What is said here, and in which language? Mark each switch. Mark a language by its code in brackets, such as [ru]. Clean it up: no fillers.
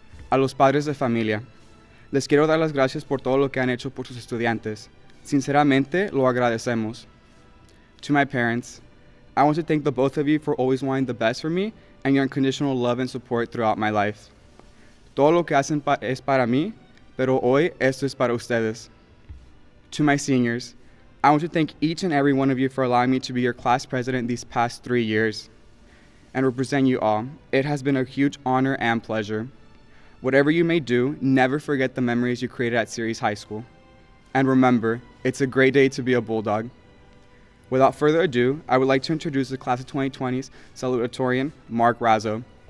[es] A los padres de familia, les quiero dar las gracias por todo lo que han hecho por sus estudiantes. Sinceramente, lo agradecemos. [en] To my parents, I want to thank the both of you for always wanting the best for me and your unconditional love and support throughout my life. [es] Todo lo que hacen es para mí, pero hoy esto es para ustedes. [en] To my seniors, I want to thank each and every one of you for allowing me to be your class president these past 3 years and represent you all. It has been a huge honor and pleasure. Whatever you may do, never forget the memories you created at Ceres High School. And remember, it's a great day to be a Bulldog. Without further ado, I would like to introduce the class of 2020's salutatorian, Mark Razzo.